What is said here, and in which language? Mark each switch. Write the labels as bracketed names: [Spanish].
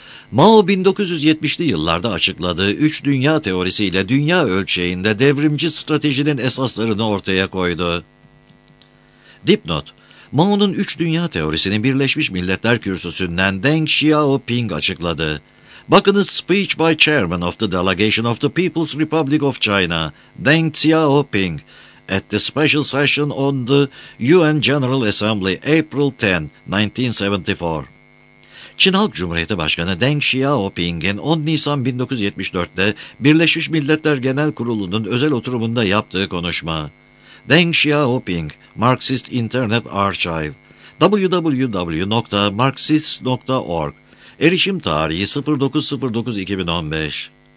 [Turkish] Mao 1970'li yıllarda açıkladığı üç dünya teorisiyle dünya ölçeğinde devrimci stratejinin esaslarını ortaya koydu. Dipnot, Mao'nun üç dünya teorisini Birleşmiş Milletler Kürsüsü'nden Deng Xiaoping açıkladı. [English] Bakınız Speech by Chairman of the Delegation of the People's Republic of China, Deng Xiaoping, at the Special Session on the UN General Assembly, April 10, 1974. [Turkish] Çin Halk Cumhuriyeti Başkanı Deng Xiaoping'in 10 Nisan 1974'te Birleşmiş Milletler Genel Kurulu'nun özel oturumunda yaptığı konuşma. Deng Xiaoping, Marxist Internet Archive. www.marxist.org. Erişim tarihi 09.09.2015.